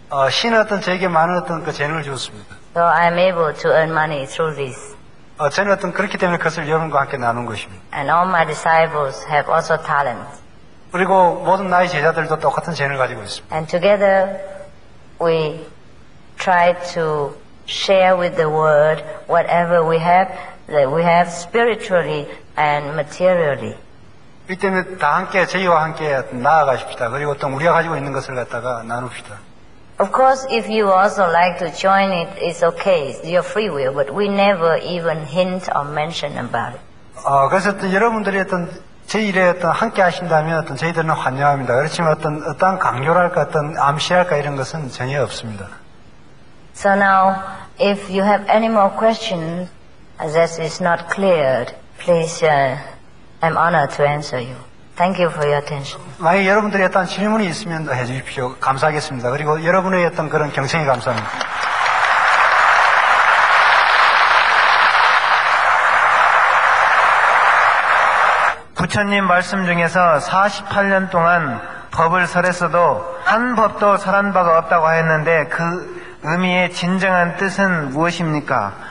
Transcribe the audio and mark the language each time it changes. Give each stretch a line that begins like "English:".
Korean: 신은 어떤 제게 많은 어떤 그 재능을 주었습니다.
English: So I'm able to earn money through this.
Korean: 저는 어떤 그렇기 때문에 그것을 여러분과 함께 나눈 것입니다.
English: And all my disciples have also talents.
Korean: 그리고 모든 나의 제자들도 똑같은 재능을 가지고 있습니다.
English: And together we try to share with the world whatever we have that we have spiritually and materially.
Korean: 이 때문에 다 함께 저희와 함께 나아가십시다. 그리고 또 우리가 가지고 있는 것을 갖다가 나눕시다.
English: Of course, if you also like to join it, it's okay. It's your free will, but we never even hint or mention about it.
Korean: 그래서 어떤 여러분들이 어떤 제 일에 어떤 함께 하신다면 어떤 저희들은 환영합니다. 그렇지만 어떤 어떤 강요랄까 어떤 암시할까 이런 것은 전혀 없습니다.
English: So now, if you have any more questions, as this is not cleared, please, I'm honored to answer you. Thank you for your attention.
Korean: 만약 여러분들이 어떤 질문이 있으면 해주십시오. 감사하겠습니다. 그리고 여러분의 어떤 그런 경청에 감사합니다. "부처님 말씀 중에서 48년 동안 법을 설했어도 한 법도 설한 바가 없다고 하였는데 그 의미의 진정한 뜻은 무엇입니까?"